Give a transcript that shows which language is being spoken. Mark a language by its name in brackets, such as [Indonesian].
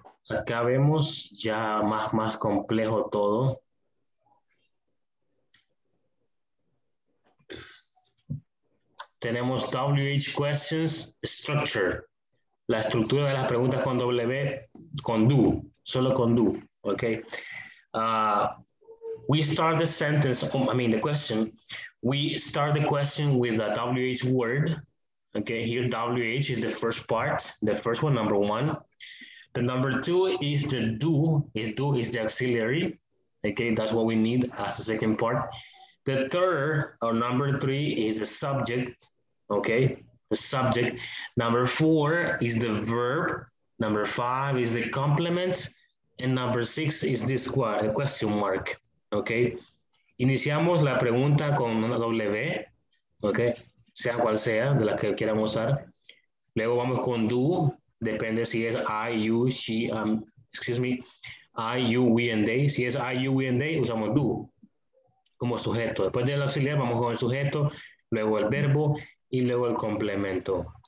[Spanish] Acá vemos ya más complejo todo. Tenemos [English] WH questions structure. [Spanish] la estructura de las preguntas con W, con do, solo con do, okay? [English] We start the sentence, I mean the question, we start the question with a WH word, okay? Here WH is the first part, the first one, number one. The number two is the do is the auxiliary, okay? That's what we need as the second part. The third, or number three, is the subject, okay? The subject. Number four is the verb. Number five is the complement. And number six is this question mark, okay? [Spanish] Iniciamos la pregunta con una W, okay? Sea cual sea, de la que quieran usar. Luego vamos con do, depende si es [English] I, you, she, excuse me, I, you, we, and they. [Spanish] Si es [English] I, you, we, and they, [Spanish] usamos do como sujeto. Después del auxiliar, vamos con el sujeto, luego el verbo y luego el complemento.